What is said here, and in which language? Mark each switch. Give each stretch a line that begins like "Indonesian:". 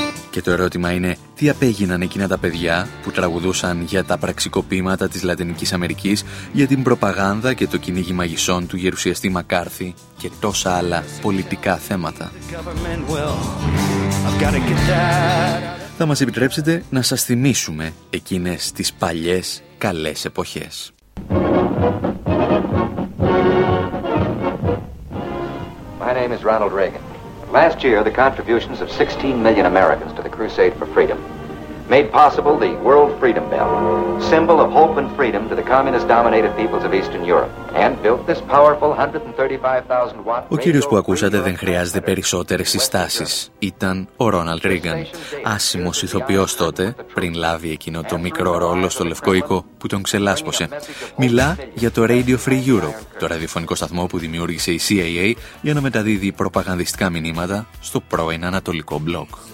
Greek: Και το ερώτημα είναι, τι απέγιναν εκείνα τα παιδιά που τραγουδούσαν για τα πραξικοπήματα της Λατινικής Αμερικής, για την προπαγάνδα και το κυνήγι μαγισσών του γερουσιαστή Μακάρθη και τόσα άλλα πολιτικά θέματα. Θα μας επιτρέψετε να σας θυμίσουμε εκείνες τις παλιές καλές εποχές.
English: My name is Ronald Reagan. Last year, the contributions of 16 million Americans to the crusade for freedom made possible the World Freedom Bell, symbol of hope and freedom to the communist-dominated peoples of Eastern Europe, and built this powerful 135,000-watt...
Greek: Ο κύριος που ακούσατε δεν χρειάζεται περισσότερες συστάσεις. Ήταν ο Ρόναλντ Ρίγκαν, άσημος ηθοποιός τότε, πριν λάβει εκείνο το μικρό ρόλο στο Λευκό Οίκο που τον ξελάσπωσε. Μιλά για το Radio Free Europe, το ραδιοφωνικό σταθμό που δημιούργησε η CIA για να μεταδίδει προπαγανδιστικά μηνύματα στο πρώην Ανατολικό Μπλοκ.